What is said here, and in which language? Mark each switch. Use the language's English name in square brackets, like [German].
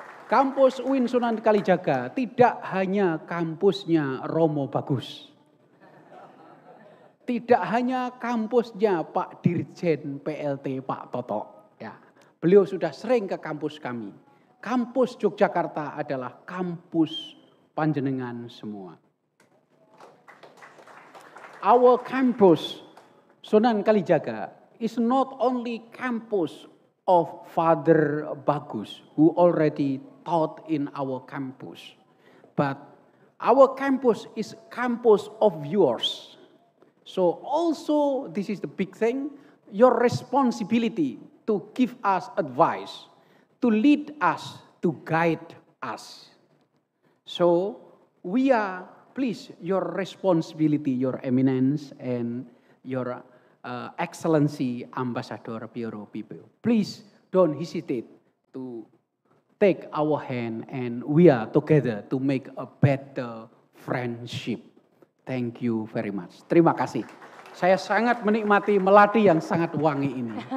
[Indonesian] Kampus UIN Sunan Kalijaga tidak hanya kampusnya Romo Bagus. Tidak hanya kampusnya Pak Dirjen PLT Pak Toto. Ya, beliau sudah sering ke kampus kami. Kampus Yogyakarta adalah kampus Panjenengan semua. [English] Our campus, Sunan Kalijaga, is not only campus of Father Bagus, who already taught in our campus, but our campus is campus of yours. So also, this is the big thing, your responsibility to give us advice, to lead us, to guide us. So we are, please, your responsibility, your eminence, and your excellency, Ambassador Piero Pipo. Please don't hesitate to take our hand and we are together to make a better friendship. Thank you very much. [Indonesian] Terima kasih. Saya sangat menikmati melati yang sangat wangi ini.